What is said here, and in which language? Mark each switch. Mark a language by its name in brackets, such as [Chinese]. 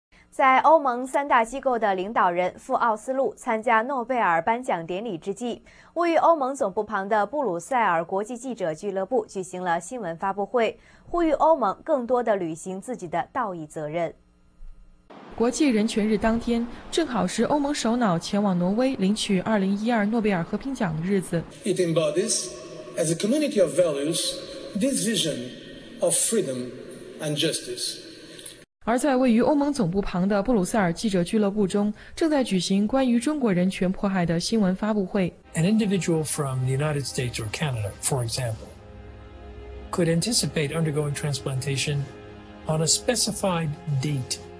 [Chinese] 在欧盟三大机构的领导人赴奥斯陆参加诺贝尔颁奖典礼之际，位于欧盟总部旁的布鲁塞尔国际记者俱乐部举行了新闻发布会，呼吁欧盟更多地履行自己的道义责任。国际人权日当天，正好是欧盟首脑前往挪威领取2012诺贝尔和平奖的日子。 [English] It embodies, as a community of values, this vision of freedom and justice. [Chinese] 而在位于欧盟总部旁的布鲁塞尔记者俱乐部中，正在举行关于中国人权迫害的新闻发布会。 [English] An individual from the United States or Canada, for example, could anticipate undergoing transplantation on a specified date.